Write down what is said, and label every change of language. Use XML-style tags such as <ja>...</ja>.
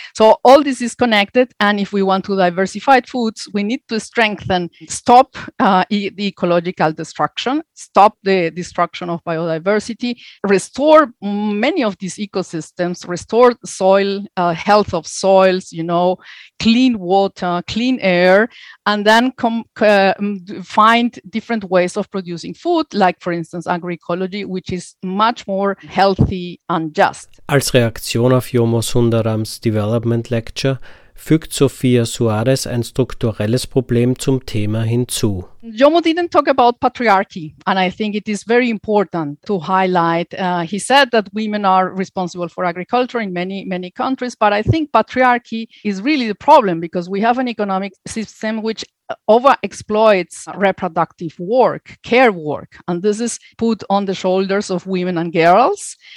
<en>So all this is connected, and if we want to diversify foods, we need to strengthen, stop the ecological destruction, stop the destruction of biodiversity, restore many of these ecosystems, restore soil, health of soils, you know, clean water, clean air, and then find different ways of producing food, like for instance agroecology, which is much more healthy and just.</en> <de>Als Reaktion auf Jomo Sundarams Development Lecture fügt Sofia Suarez ein strukturelles Problem zum Thema hinzu.</de> <en>Jomo didn't talk about patriarchy, and I think it is very important to highlight. He said that women are responsible for agriculture in many, many countries, but I think patriarchy is really the problem, because we have an economic system which overexploits reproductive work, care work, and this is put on the shoulders of women and girls.</en>